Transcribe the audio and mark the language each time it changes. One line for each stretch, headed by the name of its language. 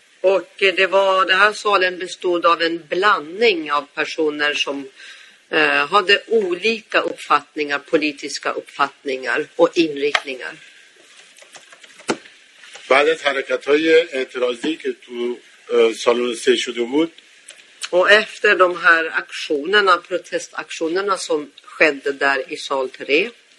Swedish: Och det var det här salen bestod av en blandning av personer som hade olika uppfattningar, politiska uppfattningar och inriktningar.
Persian: بعد از حرکت‌های اعتراضی که تو سالن 3 شده بود.
Swedish: Och efter de här aktionerna, protestaktionerna som skedde där i sal 3.